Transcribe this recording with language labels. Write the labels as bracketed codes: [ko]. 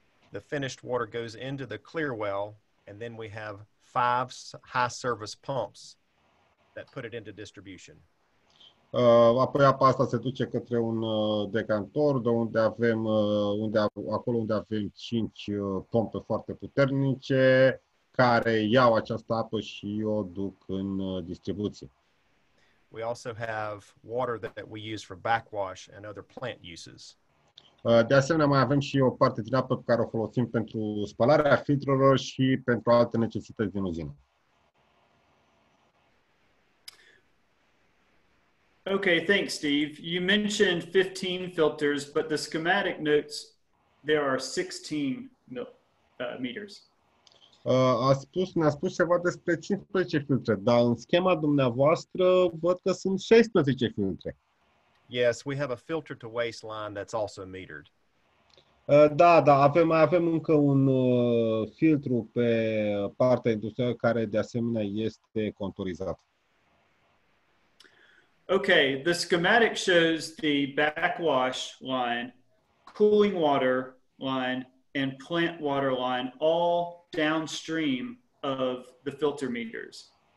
[en] The finished water goes into the clear well and then we have 5 high service pumps that put it into distribution. [ro] Apoi apa asta se duce către un decantor de unde avem acolo unde avem 5 pompe foarte puternice care iau această apă și o duc în distribuție. [en] We also have water that we use for backwash and other plant uses. [ro] De asemenea mai avem și o parte din apă pe care o folosim pentru spălarea filtrelor și pentru alte necesități din uzină. [en] Okay, thanks, Steve. You mentioned 15 filters, but the schematic notes there are 16 meters. [ro] Ne-a spus ceva despre 15 filtre, dar în schema dumneavoastră văd că sunt 16 filtre. [en] Yes, we have a filter to waste line that's also metered. [ro] Da, avem încă un filtru pe partea industrială care de asemenea este conturizat. [en] Okay, the schematic shows the backwash line, cooling water line, and plant water line all downstream of the filter meters.